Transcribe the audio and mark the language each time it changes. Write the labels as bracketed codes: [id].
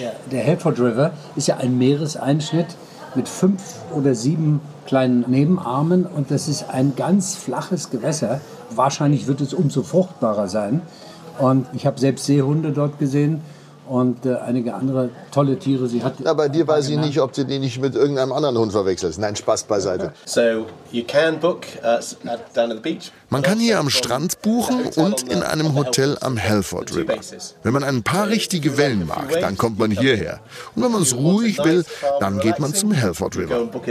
[de] Der Helford River ist ja ein Meereseinschnitt mit 5 oder 7 kleinen Nebenarmen. Und das ist ein ganz flaches Gewässer. Wahrscheinlich wird es umso fruchtbarer sein. Und ich habe selbst Seehunde dort gesehen. Und einige andere tolle Tiere, sie hat... Na, bei dir weiß ich nicht, ob du die nicht mit irgendeinem anderen Hund verwechselst. Nein, Spaß beiseite. [en] So, you can book down at the beach. [de] Man kann hier am Strand buchen und in einem Hotel am Helford River. Wenn man ein paar richtige Wellen mag, dann kommt man hierher. Und wenn man es ruhig will, dann geht man zum Helford River.